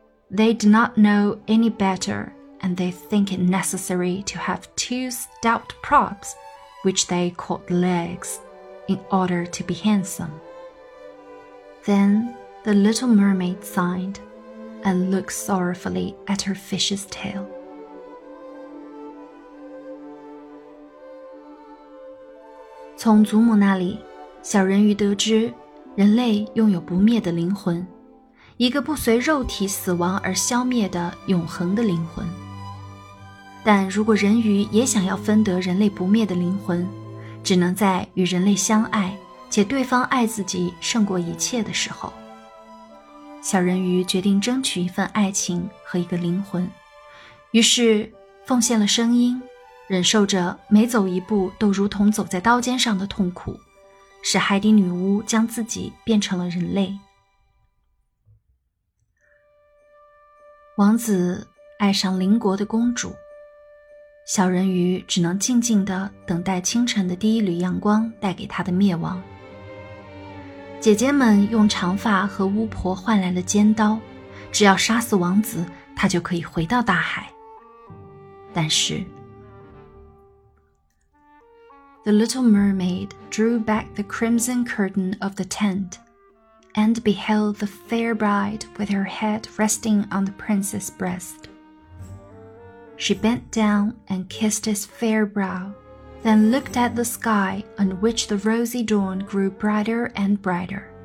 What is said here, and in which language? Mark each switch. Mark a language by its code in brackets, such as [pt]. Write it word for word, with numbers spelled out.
[en] They do not know any better, and they think it necessary to have two stout props, which they call legs, in order to be handsome. Then the little mermaid sighed and looked sorrowfully at her fish's tail. [zh] 从祖母那里，小人鱼得知，人类拥有不灭的灵魂，一个不随肉体死亡而消灭的永恒的灵魂。但如果人鱼也想要分得人类不灭的灵魂，只能在与人类相爱，且对方爱自己胜过一切的时候。小人鱼决定争取一份爱情和一个灵魂，于是奉献了声音，忍受着每走一步都如同走在刀尖上的痛苦，使海底女巫将自己变成了人类。王子爱上邻国的公主，小人鱼只能静静地等待清晨的第一缕阳光带给她的灭亡。姐姐们用长发和巫婆换来了尖刀，只要杀死王子，她就可以回到大海。但是 [en] The little mermaid drew back the crimson curtain of the tent, and beheld the fair bride with her head resting on the prince's breast. She bent down and kissed his fair brow, then looked at the sky on which the rosy dawn grew brighter and brighter.